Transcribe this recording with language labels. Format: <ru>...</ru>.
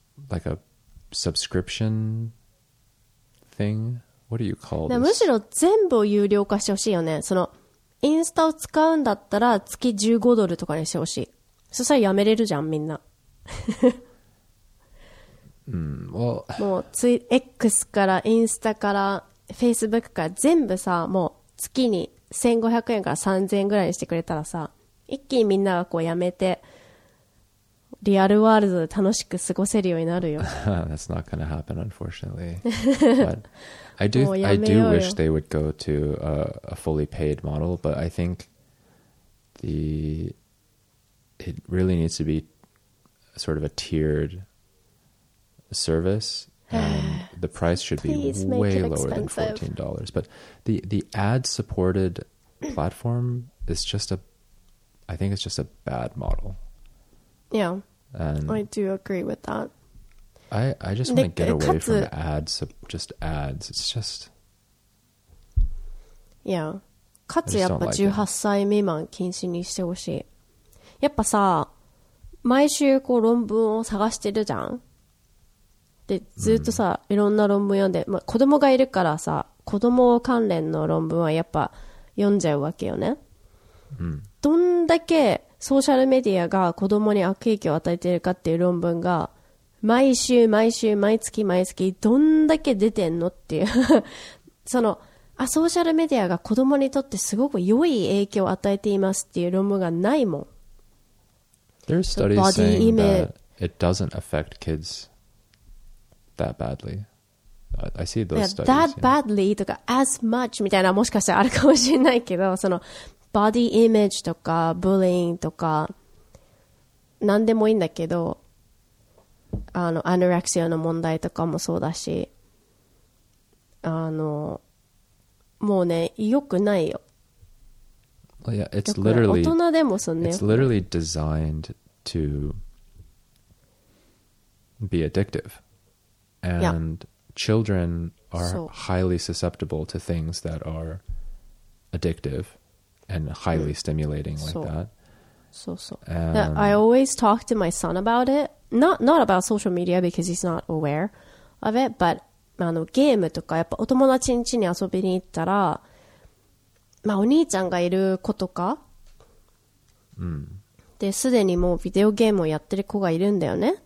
<en>like a subscription thing. What do you call this?</en> <ja>むしろ全部を有料化してほしいよね。そのインスタを使うんだったら月15ドルとかにしてほしい。そしたらやめれるじゃんみんな。もうつい X からインスタから Facebook から全部さ、もう月に1500円から3000円ぐらいにしてくれたらさ、一気にみんながこうやめて。リアルワールドで楽しく過ごせるようになるよ。</ja> <en>That's not going to happen, unfortunately. But I do wish they would go to a fully paid model, but I think it really needs to be sort of a tiered service. And the price should be way lower than $14. But the ad-supported platform is just a... I think it's just a bad model. Yeah. And I do agree with that. I just want to get away from ads. Just ads. It's just... Yeah.</en> <ja>かつやっぱ18歳未満禁止にしてほしい。やっぱさ、毎週こう論文を探してるじゃん。でずっとさ、いろんな論文読んで、まあ、子供がいるからさ、子供関連の論文はやっぱ読んじゃうわけよね。どんだけソーシャルメディアが子供に悪影響を与えてるかっていう論文が毎週毎週毎月毎月どんだけ出てんのっていうそのあソーシャルメディアが子供にとってすごく良い影響を与えていますっていう論文がないもん。</ja> <en>There are studies saying that it doesn't affect kids that badly. I see those studies. That badly</en> <ja>とか</ja> <en>as much</en> <ja>みたいなもしかしたらあるかもしれないけど、そのバディイメージとかブリーンとか何でもいいんだけど、あのアノレクシアの問題とかもそうだし、あのもうね、よくないよ。</ja> <en>Well, yeah, it's literally,</en> <ja>大人でもそんな。</ja> <en>It's literally designed to be addictive. And、yeah. children are、so. highly susceptible to things that are addictive and highly stimulating like、so. that. So. And I always talk to my son about it. Not about social media because he's not aware of it, but</en> <ja>あのゲームとかやっぱお友達ん家に遊びに行ったら、まあ、お兄ちゃんがいる子とか、すでにもうビデオゲームをやってる子がいるんだよね。</ja>